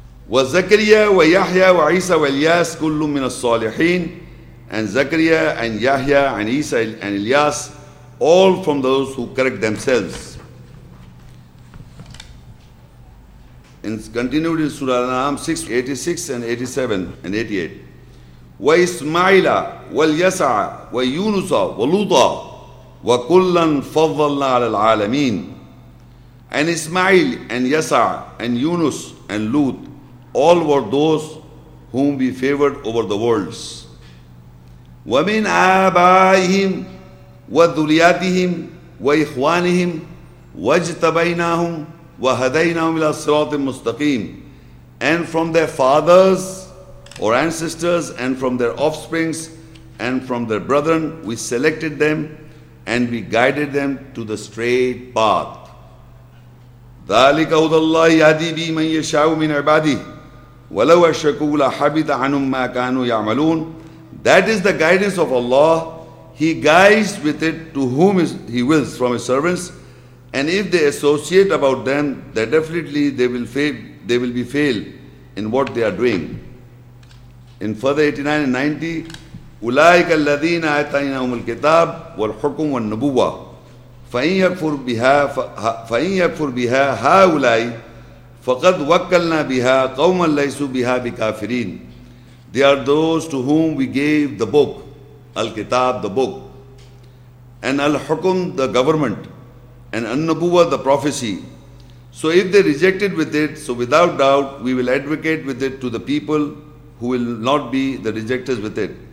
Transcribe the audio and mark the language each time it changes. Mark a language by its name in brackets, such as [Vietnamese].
[Arabic] وَزَكَرِيَا وَيَحْيَا وَعِيسَى وَإِلْيَاسِ كُلُّ مِنَ الصَّالِحِينَ. [English] And Zakaria and Yahya and Isa and Ilyas, all from those who correct themselves. It's continued in Surah Al-An'am 6, 86 and 87 and 88. [Arabic] وإسماعيل واليسع ويونس ولوطا وكلا فضلنا على العالمين. [English] And Ismail and Yasa and Yunus and Lut, all were those whom we favored over the worlds. [Arabic] وَمِنْ آبَائِهِمْ وَذُرِيَاتِهِمْ وَإِخْوَانِهِمْ وَاجْتَبَيْنَاهُمْ وَهَدَيْنَاهُمْ إِلَى الصِّرَاطِ الْمُسْتَقِيمِ. [English] And from their fathers or ancestors, and from their offsprings, and from their brethren, we selected them and we guided them to the straight path. [Arabic] ذلك هدى الله يهدي به من يشاء من عباده ولو أشركوا لحبط عنهم ما كانوا يعملون. [English] That is the guidance of Allah. He guides with it to whom He wills from His servants. And if they associate about them, they definitely they will be failed in what they are doing. In further 89 and 90, [Arabic] أولئك الذين آتيناهم الكتاب والحكم والنبوة فَإِنْ يَكْفُرْ بِهَا هَا أُولَيْ فَقَدْ وَكَّلْنَا بِهَا قَوْمًا لَيْسُ بِهَا بِكَافِرِينَ. [English] They are those to whom we gave the book, Al-Kitab, the book, and Al-Hukum, the government, and Al-Nubuwa, the prophecy. So if they rejected with it, so without doubt, we will advocate with it to the people who will not be the rejectors with it.